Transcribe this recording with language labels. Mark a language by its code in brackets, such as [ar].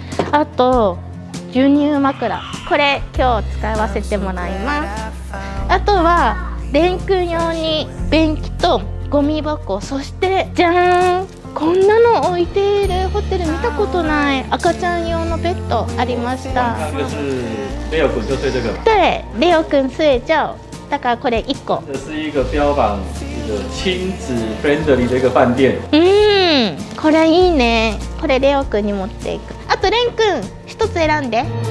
[ja] あと授乳枕、これ今日使わせてもらいます。あとはレン君用に便器とゴミ箱、そしてじゃーん、こんなの置いているホテル見たことない、赤ちゃん用のベッドありました。 [zh] レオ君就睡这个，对，レオ君睡觉，大概 [ja] これ一個。 [zh] 这是一个标榜一个亲子 friendly 的一个饭店。 [ja] 嗯，これいいね。これレオ君に持っていく。あとレン君一つ選んで。